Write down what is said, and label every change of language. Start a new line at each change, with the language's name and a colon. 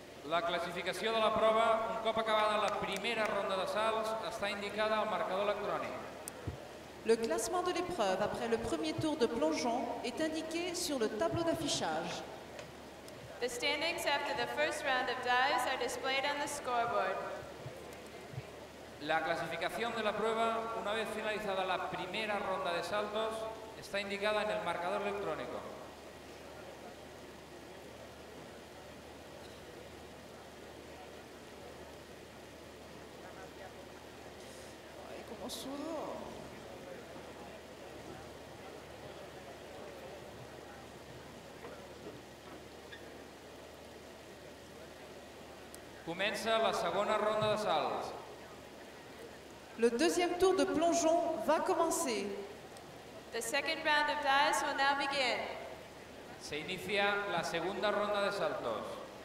Catalan: La classificació de la prova, un cop acabada la primera ronda de salts, està indicada al marcador electrònic.
French: Le classement de l'épreuve après le premier tour de plongeon est indiqué sur le tableau d'affichage.
English: The standings after the first round of dives are displayed on the scoreboard.
Spanish: La clasificación de la prueba, una vez finalizada la primera ronda de saltos, está indicada en el marcador electrónico. Ay, cómo sudo.
Catalan: Comença la segona ronda de salts.
French: Le deuxième tour de plongeon va commencer.
English: The second round of dives will now begin.
Spanish: Se inicia la segunda ronda de saltos.